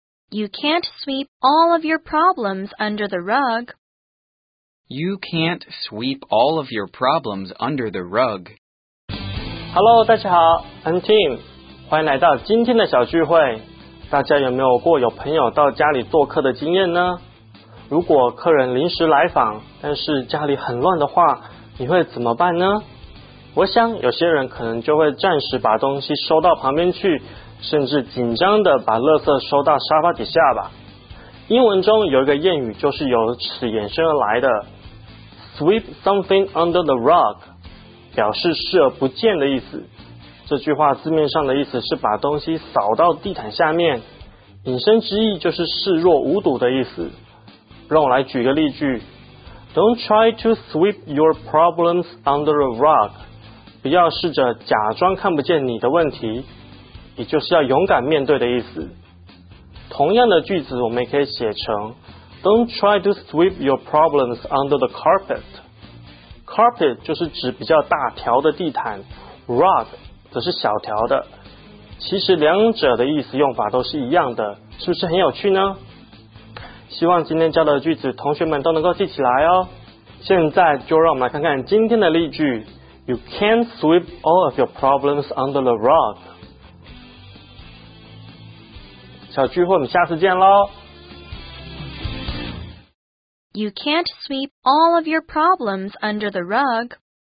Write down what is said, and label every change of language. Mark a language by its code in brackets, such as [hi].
[en] You can't sweep all of your problems under the rug. You can't sweep all of your problems under the rug. Hello, [zh] 大家好 [en] ,I'm Tim. [zh] 欢迎来到今天的小聚会。大家有没有过有朋友到家里做客的经验呢？如果客人临时来访，但是家里很乱的话，你会怎么办呢？我想有些人可能就会暂时把东西收到旁边去，甚至紧张的把垃圾收到沙发底下吧。英文中有一个谚语就是由此衍生而来的 [en] sweep something under the rug [zh] 表示视而不见的意思，这句话字面上的意思是把东西扫到地毯下面，引申之意就是视若无睹的意思。让我来举个例句， [en] Don't try to sweep your problems under the rug， [zh] 不要试着假装看不见你的问题，也就是要勇敢面对的意思。同样的句子我们也可以写成 [en] Don't try to sweep your problems under the carpet. [zh] Carpet 就是指比较大条的地毯， Rug 则是小条的。其实两者的意思用法都是一样的，是不是很有趣呢？希望今天教的句子同学们都能够记起来哦。现在就让我们来看看今天的例句， [en] You can't sweep all of your problems under the rug. [zh] 小聚会，我们下次见喽。 [en] You can't sweep all of your problems under the rug.